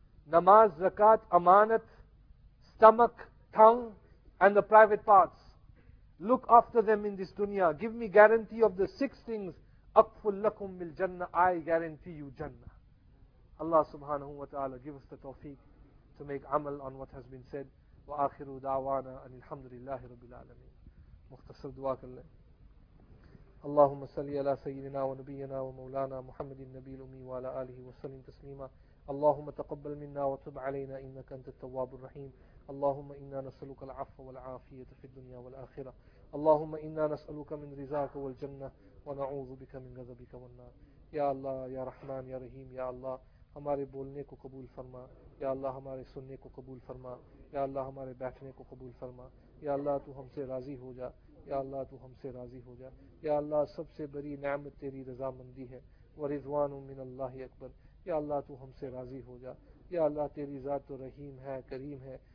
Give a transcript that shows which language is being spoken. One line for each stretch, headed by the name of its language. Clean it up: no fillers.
English: Namaz, zakat, amanat, stomach, tongue, and the private parts. Look after them in this dunya. Give me guarantee of the 6 things.
Arabic: Akful lakum bil jannah.
English: I guarantee you jannah. Allah subhanahu wa ta'ala give us the tawfiq to make amal on what has been said.
Arabic: وآخر دعوانا أن الحمد لله رب العالمين. مختصر دعاء الله. اللهم صل على سيدنا ونبينا ومولانا محمد النبي الأمي وعلى آله وسلم تسليما. اللهم تقبل منا وتب علينا إنك أنت التواب الرحيم. اللهم إنا نسألك العفو والعافية في الدنيا والآخرة. اللهم إنا نسألك من رزاك والجنة ونعوذ بك من غضبك والنار. يا الله يا رحمن يا رحيم يا الله
Urdu: ہمارے بولنے کو قبول فرما. یا اللہ ہمارے سننے کو قبول فرما. یا اللہ ہمارے بیٹھنے کو قبول فرما. یا اللہ تو ہم سے راضی ہو جا. یا اللہ تو ہم سے راضی ہو جا. یا اللہ سب سے بڑی نعمت تیری رضا مندی ہے.
Arabic: ورضوان من اللہ اکبر.
Urdu: یا اللہ تو ہم سے راضی ہو جا. یا اللہ تیری ذات تو رحیم ہے کریم ہے.